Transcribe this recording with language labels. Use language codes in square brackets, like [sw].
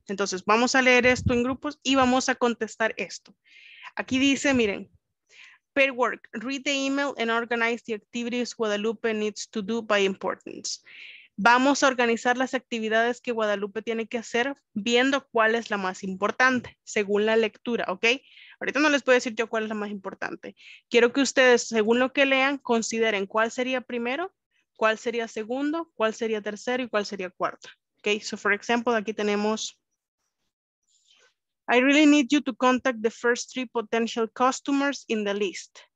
[es] Entonces, vamos a leer esto en grupos y vamos a contestar esto. Aquí dice, miren, [en] pair work, read the email and organize the activities Guadalupe needs to do by importance. [es] Vamos a organizar las actividades que Guadalupe tiene que hacer viendo cuál es la más importante según la lectura, ¿ok? Ahorita no les puedo decir yo cuál es la más importante. Quiero que ustedes, según lo que lean, consideren cuál sería primero, cuál sería segundo, cuál sería tercero y cuál sería cuarto, ¿ok? [en] So, for example, [es] aquí tenemos, [en] I really need you to contact the first three potential customers in the list